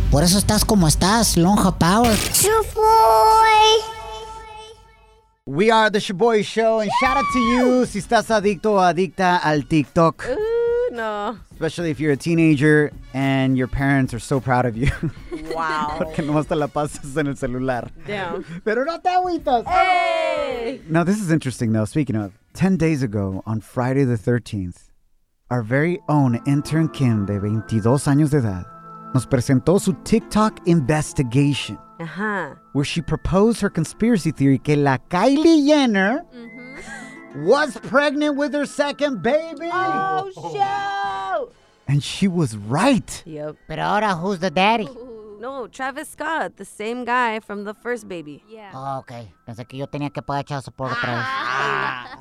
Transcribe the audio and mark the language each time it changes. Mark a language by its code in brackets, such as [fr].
[es] Por eso estás como estás, lonja power. Shoboy. [en] We are the Shoboy Show, and shout out to you [es] si estás adicto o adicta al TikTok. [en] Ooh, no. Especially if you're a teenager and your parents are so proud of you. Wow. [es] Porque no más te la pasas en el celular. [en] Damn. [es] Pero no te agüitas. [en] Hey. Now, this is interesting, though. Speaking of, 10 days ago, on Friday the 13th, our very own intern Kim, [es] de 22 años de edad, nos presentó su [en] TikTok investigation. Where she proposed her conspiracy theory [es] que la [en] Kylie Jenner was pregnant with her second baby. Oh, shoot. And she was right. Yep. But ahora, who's the daddy? No, Travis Scott, the same guy from the first baby. Yeah. Oh, okay. [es] Pensé que yo tenía que pagar child support otra vez.